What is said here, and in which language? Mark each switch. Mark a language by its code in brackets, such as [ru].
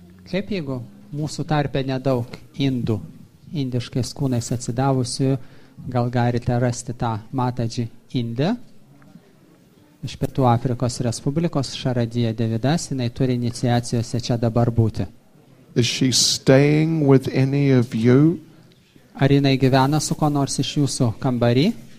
[lt] Kaip jeigu mūsų tarpe nedaug indų indiškais kūnais atsidavusių, gal galite rasti tą Mataji Indę? Iš Pietų Afrikos Respublikos Šaradija Devidas, jinai turi iniciacijose čia dabar būti. [en] Is she staying with any of you? [lt] Ar jinai gyvena su ko nors iš jūsų kambarį?